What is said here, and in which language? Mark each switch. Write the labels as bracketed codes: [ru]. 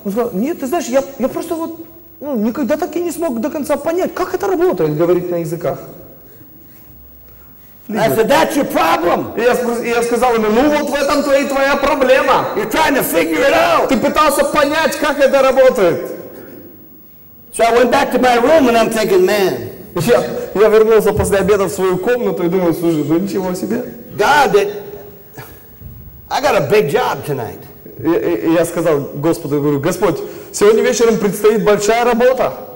[ru] Он сказал, нет, ты знаешь, я просто вот, ну, никогда так и не смог до конца понять, как это работает, говорить на языках. [en] I said, that's your problem. [ru] И я сказал ему, ну вот в этом твоя проблема. [en] You're trying to figure it out. [ru] Ты пытался понять, как это работает. [en] So I went back to my room and I'm thinking, man. [ru] Я вернулся после обеда в свою комнату и думаю, слушай, ну ничего себе. [en] God, I got a big job tonight. [ru] И я сказал Господу, я говорю, Господь, сегодня вечером предстоит большая работа.